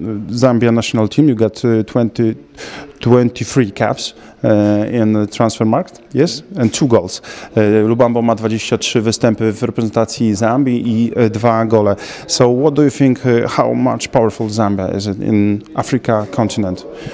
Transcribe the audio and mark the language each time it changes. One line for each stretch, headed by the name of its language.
English: Zambia National Team, you got 23 caps in the transfer market, yes, and 2 goals.
Polish: Lubambo ma 23 występy w reprezentacji Zambii i 2 gole.
English: So what do you think, how much powerful Zambia is it in Africa continent?